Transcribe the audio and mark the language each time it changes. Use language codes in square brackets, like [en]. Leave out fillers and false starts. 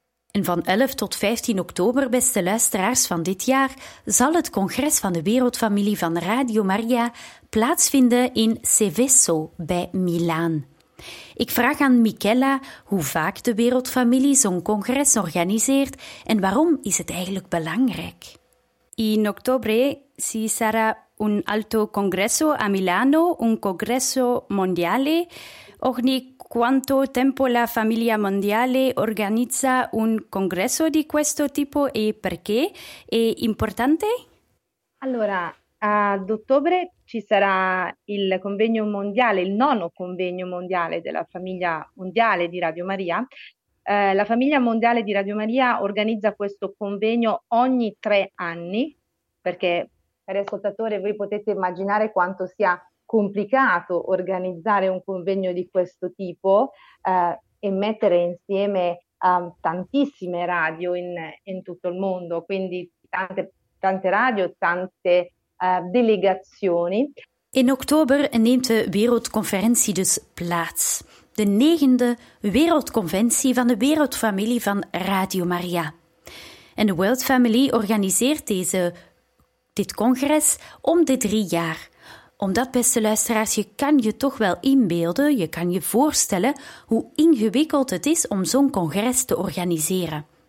[nl] En van 11 tot 15 oktober, beste luisteraars van dit jaar, zal het congres van de wereldfamilie van Radio Maria plaatsvinden in Seveso bij Milaan. Ik vraag aan Michaela hoe vaak de wereldfamilie zo'n congres organiseert en waarom is het eigenlijk belangrijk? [it] In oktober si sarà un alto congresso a Milano, un congresso mondiale. Ogni quanto tempo la famiglia mondiale organizza un congresso di questo tipo e perché è importante? Allora, ad ottobre ci sarà il convegno mondiale, il nono convegno mondiale della famiglia mondiale di Radio Maria. La famiglia mondiale di Radio Maria organizza questo convegno ogni 3 anni, perché, cari ascoltatori, voi potete immaginare quanto sia complicato organizzare un convegno di questo tipo e mettere insieme tantissime radio in tutto il mondo, quindi tante radio, tante delegazioni. [nl] In oktober neemt de wereldconferentie dus plaats, de 9e wereldconventie van de wereldfamilie van Radio Maria. En de World Family organiseert dit congres om de 3 jaar. Omdat, beste luisteraars, je kan je toch wel inbeelden, je kan je voorstellen hoe ingewikkeld het is om zo'n congres te organiseren.